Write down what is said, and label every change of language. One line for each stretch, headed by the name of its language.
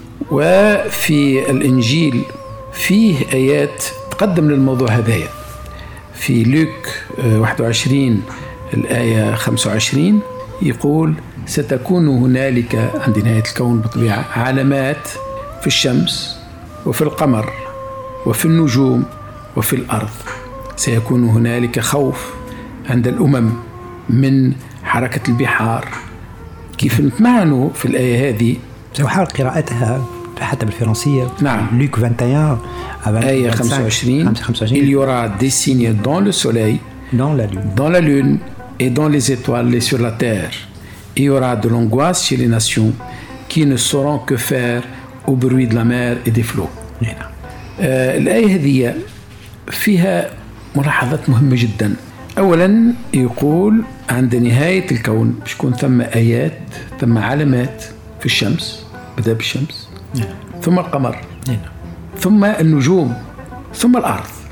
Arabic: وفي الإنجيل فيه آيات تقدم للموضوع هذايا، في لوك 21 الآية 25 يقول: ستكون هنالك عند نهاية الكون بطبيعة علامات في الشمس وفي القمر وفي النجوم وفي الأرض، سيكون هنالك خوف عند الأمم من حركة البحار. كيف نتمعنوا في الآية هذه؟ سأحاول قراءتها حتى بالفرنسية. نعم، لوك 21 آية 25
French: Il y aura des signes dans le soleil, dans la lune, dans la lune et dans les étoiles et sur la terre. Il y aura de l'angoisse chez les nations qui ne sauront que faire au bruit de la mer et des flots.
Arabic: نعم. الآية هذه فيها ملاحظات مهمة جدا. أولا يقول عند نهاية الكون مش يكون ثم آيات، ثم علامات في الشمس، بدأ بالشمس ثم القمر ثم النجوم ثم الأرض.